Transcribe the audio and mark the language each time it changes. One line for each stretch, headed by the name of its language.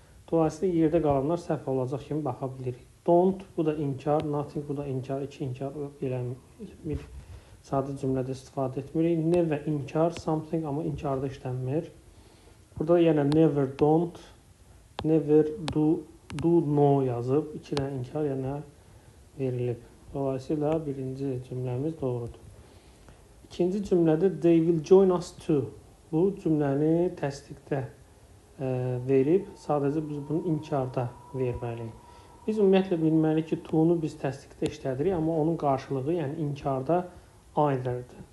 Azerbaijani: Dolayısıyla yerdə qalanlar səhv olacaq kimi baxa bilirik. Don't, bu da inkar, nothing, bu da inkar, iki inkar, bir sadə cümlədə istifadə etmirik. Never, inkar, something, amma inkarda işlənmir. Burada yenə never, don't, never, do, no yazıb, iki dənə inkar yenə verilib. Dolayısıyla birinci cümləmiz doğrudur. İkinci cümlədə
English: they will join us too.
Azerbaijani: Bu cümləni təsdiqdə verib, sadəcə biz bunu inkarda verməliyik. Biz ümumiyyətlə bilməliyik ki, to-nu biz təsdiqdə işlədirik, amma onun qarşılığı, yəni inkarda either-dir.